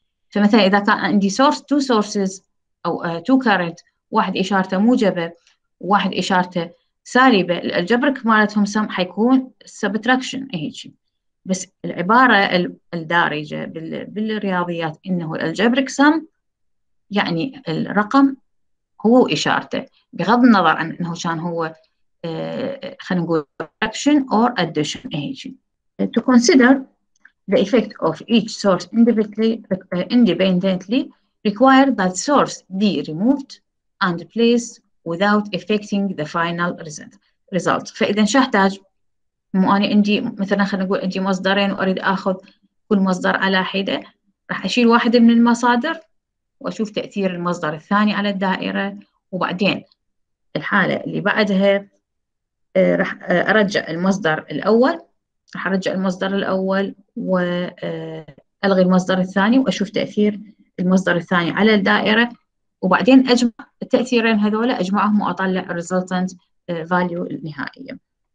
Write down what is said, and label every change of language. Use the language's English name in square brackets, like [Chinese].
[Arabic] فمثلا إذا كان عندي [English] source two sources أو two current, [Arabic] واحد إشارته موجبة واحد اشارته سالبه، الالجبريك مالتهم سم حيكون سبتراكشن هيك. بس العباره الدارجه بالرياضيات انه الالجبريك سم يعني الرقم هو واشارته، بغض النظر عن انه كان هو خلينا نقول [English] subtraction or addition [Arabic] هيك. [English] To consider the effect of each source independently required that source be removed and placed without affecting the final result. [Arabic] فإذا شو أحتاج؟ مو أنا عندي مثلا خلينا نقول عندي مصدرين وأريد آخذ كل مصدر على حدة، راح أشيل واحد من المصادر وأشوف تأثير المصدر الثاني على الدائرة، وبعدين الحالة اللي بعدها راح أرجع المصدر الأول، راح أرجع المصدر الأول وألغي المصدر الثاني وأشوف تأثير المصدر الثاني على الدائرة، وبعدين اجمع التاثيرين هذول اجمعهم واطلع [English] الريزلتنت فاليو [Arabic] النهائيه.